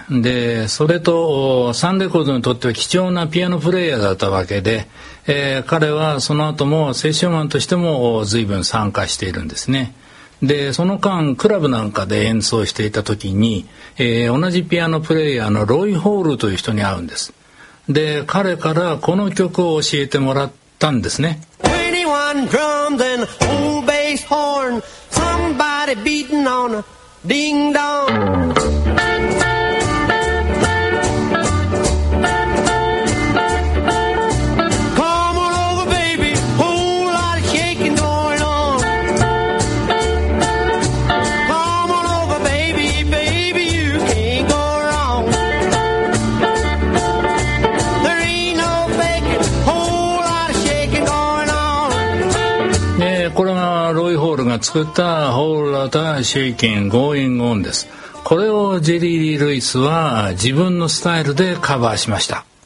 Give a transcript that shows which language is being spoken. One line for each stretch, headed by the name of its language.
Japanese: でそれとサンレコードにとっては貴重なピアノプレイヤーだったわけで、彼はその後もセッションマンとしても随分参加しているんですね。でその間クラブなんかで演奏していた時に、同じピアノプレイヤーのロイ・ホールという人に会うんです。で彼からこの曲を教えてもらったんですね。
English: Drums and old bass horn, somebody beating on a ding dong. Come on over, baby, whole lot of shaking going on. Come on over, baby, baby, you can't go wrong. There ain't no faking, whole lot of shaking going on.
Japanese: これがロイ・ホールが作った Whole Lotta Shakin' Going On です。これをジェリー・リー・ルイスは自分のスタイルでカバーしました。